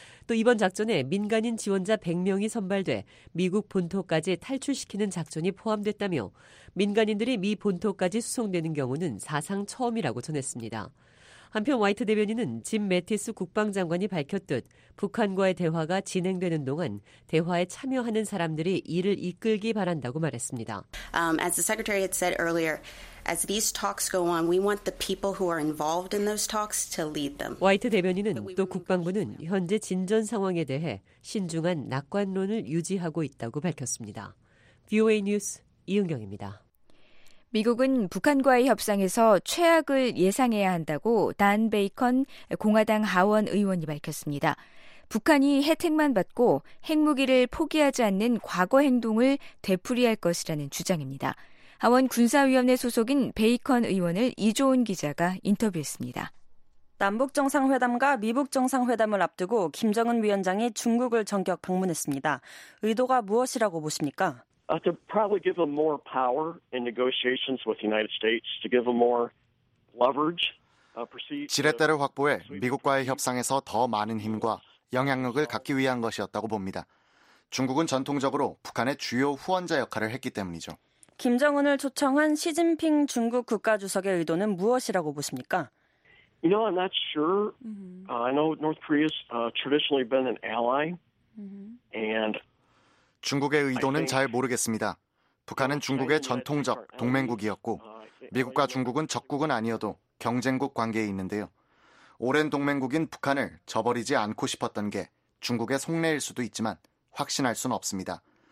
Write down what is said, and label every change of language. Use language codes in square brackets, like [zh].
[ko] 또 이번 작전에 민간인 지원자 100명이 선발돼 미국 본토까지 탈출시키는 작전이 포함됐다며 민간인들이 미 본토까지 수송되는 경우는 사상 처음이라고 전했습니다. 한편 화이트 대변인은 짐 매티스 국방장관이 밝혔듯 북한과의 대화가 진행되는 동안 대화에 참여하는 사람들이 이를 이끌기 바란다고 말했습니다. [en] As the secretary had said earlier, as these talks go on, we want the people who are involved in those talks to lead them. [ko] 화이트 대변인은 또 국방부는 현재 진전 상황에 대해 신중한 낙관론을 유지하고 있다고 밝혔습니다. VOA 뉴스 이은경입니다. 미국은 북한과의 협상에서 최악을 예상해야 한다고 단 베이컨 공화당 하원 의원이 밝혔습니다. 북한이 혜택만 받고 핵무기를 포기하지 않는 과거 행동을 되풀이할 것이라는 주장입니다. 하원 군사위원회 소속인 베이컨 의원을 이조은 기자가 인터뷰했습니다. 남북정상회담과 미북정상회담을 앞두고 김정은 위원장이 중국을 전격 방문했습니다. 의도가 무엇이라고 보십니까? [en] To probably give them more power in negotiations with the United States, to give them more leverage. [ko] 지렛대를 확보해 미국과의 협상에서 더 많은 힘과 영향력을 갖기 위한 것이었다고 봅니다. 중국은 전통적으로 북한의 주요 후원자 역할을 했기 때문이죠. 김정은을 초청한 시진핑 중국 국가주석의 의도는 무엇이라고 보십니까? [en] You know, I'm not sure. I know North Korea's traditionally been an ally, and [ko] 중국의 의도는 잘 모르겠습니다. 북한은 중국의 전통적 동맹국이었고 미국과 중국은 적국은 아니어도 경쟁국 관계에 있는데요. 오랜 동맹국인 북한을 저버리지 않고 싶었던 게 중국의 속내일 수도 있지만 확신할 순 없습니다.